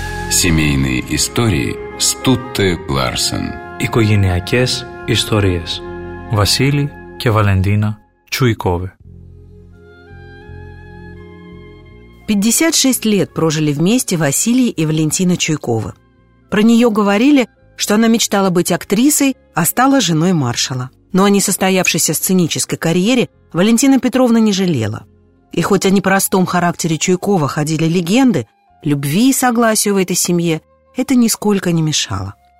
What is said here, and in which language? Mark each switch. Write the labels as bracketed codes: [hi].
[ru] Семейные истории Стутте Ларсен. [el] Οικογενειακές ιστορίες. Βασίλη και Βαλεντίνα Τσουϊκόβε. [ru] 56 лет прожили вместе Василий и Валентина Чуйкова. Про нее говорили, что она мечтала быть актрисой, а стала женой маршала. Но о несостоявшейся сценической карьере Валентина Петровна не жалела. И хоть о непростом характере Чуйкова ходили легенды, любви и согласию в этой семье это нисколько не мешало.